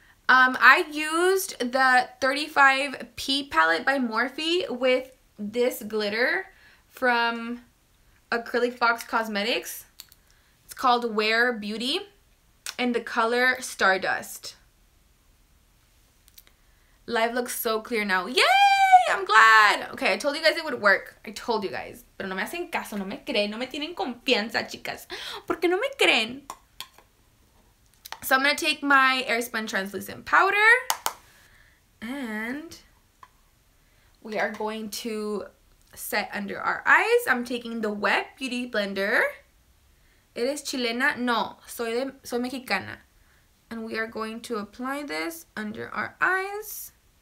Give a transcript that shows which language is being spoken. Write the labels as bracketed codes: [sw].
[en] I used the 35P palette by Morphe with this glitter from Acrylic Box Cosmetics. It's called Wear Beauty and the color Stardust. Life looks so clear now. Yay! I'm glad. Okay, I told you guys it would work. I told you guys. [es] Pero no me hacen caso, no me creen, no me tienen confianza, chicas. ¿Por qué no me creen? [en] So I'm going to take my Airspun translucent powder and we are going to set under our eyes. I'm taking the Wet Beauty Blender. [es] ¿Eres chilena? No, soy mexicana. [en] And we are going to apply this under our eyes.